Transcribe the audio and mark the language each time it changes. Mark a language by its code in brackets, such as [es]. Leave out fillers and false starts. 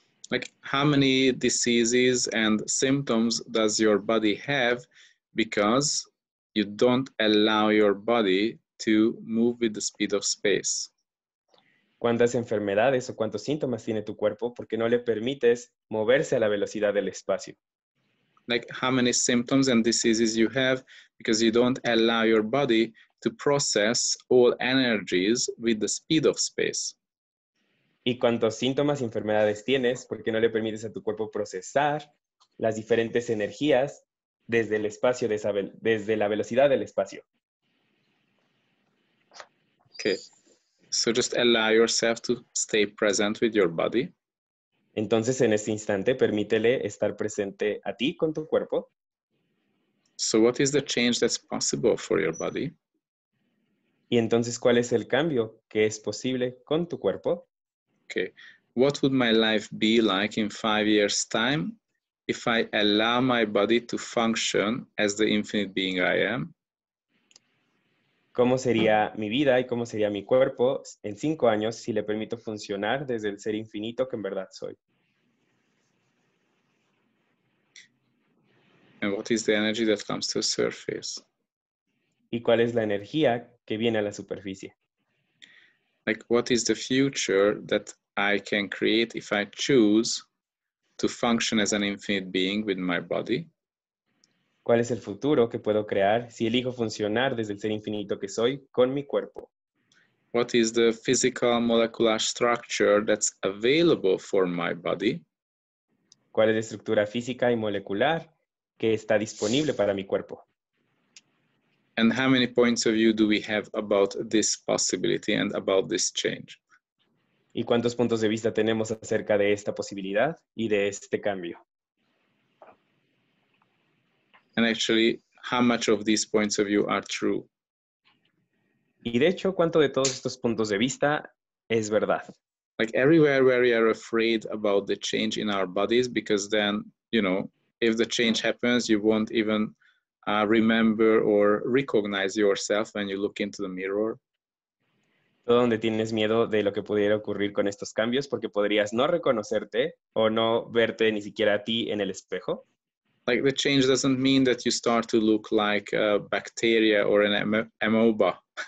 [en] Like, how many diseases and symptoms does your body have because you don't allow your body to move with the speed of space? [es] ¿Cuántas enfermedades o cuántos síntomas tiene tu cuerpo porque no le permites moverse a la velocidad del espacio? [en] Like, how many symptoms and diseases you have because you don't allow your body to process all energies with the speed of space? [es] ¿Y cuántos síntomas y enfermedades tienes porque no le permites a tu cuerpo procesar las diferentes energías desde el espacio, desde la velocidad del espacio? [en] Okay. So just allow yourself to stay present with your body. [es] Entonces, en este instante, permítele estar presente a ti con tu cuerpo. [en] So what is the change that's possible for your body? [es] Y entonces, ¿cuál es el cambio que es posible con tu cuerpo? [en] Okay. What would my life be like in 5 years' time if I allow my body to function as the infinite being I am? [es] ¿Cómo sería mi vida y cómo sería mi cuerpo en 5 años si le permito funcionar desde el ser infinito que en verdad soy? [en] And what is the energy that comes to the surface? [es] ¿Y cuál es la energía que viene a la superficie? [en] Like, what is the future that I can create if I choose to function as an infinite being with my body? [es] ¿Cuál es el futuro que puedo crear si elijo funcionar desde el ser infinito que soy con mi cuerpo? [en] What is the physical molecular structure that's available for my body? [es] ¿Cuál es la estructura física y molecular que está disponible para mi cuerpo? [en] And how many points of view do we have about this possibility and about this change? [es] ¿Y cuántos puntos de vista tenemos acerca de esta posibilidad y de este cambio? [en] And actually, how much of these points of view are true? [es] Y de hecho, ¿cuánto de todos estos puntos de vista es verdad? [en] Like everywhere where we are afraid about the change in our bodies, because then, you know, if the change happens, you won't even remember or recognize yourself when you look into the mirror. [es] Todo donde tienes miedo de lo que pudiera ocurrir con estos cambios, porque podrías no reconocerte o no verte ni siquiera a ti en el espejo. [en] Like the change doesn't mean that you start to look like a bacteria or an amoeba.